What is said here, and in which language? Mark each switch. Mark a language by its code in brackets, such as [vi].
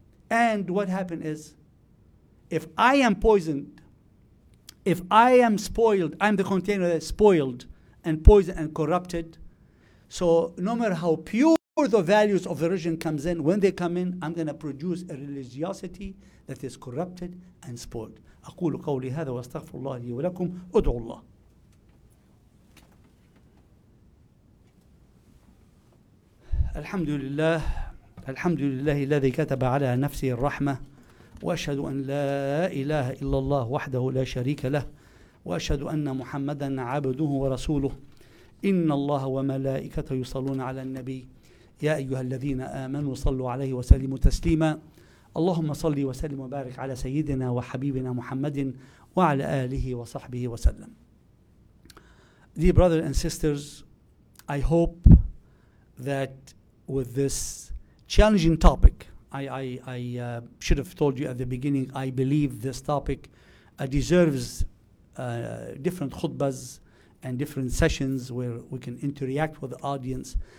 [en] And what happened is, if I am poisoned, if I am spoiled, I'm the container that's spoiled and poisoned and corrupted. So no matter how pure the values of the religion comes in, when they come in, I'm going to produce a religiosity that is corrupted and spoiled. [ar] أقول قولي هذا واستغفر الله لي ولكم أدعو الله. الحمد لله. الحمد لله الذي كتب على نفسه الرحمة وأشهد أن لا إله إلا الله وحده لا شريك له وأشهد أن محمدا عبده ورسوله إن الله وملائكته يصلون على النبي يا أيها الذين آمنوا صلوا عليه وسلموا تسليما اللهم صل وسلم وبارك على سيدنا وحبيبنا محمد وعلى آله وصحبه وسلم. [en] Dear brothers and sisters, I hope that with this challenging topic. I should have told you at the beginning, I believe this topic deserves different khutbas and different sessions where we can interact with the audience.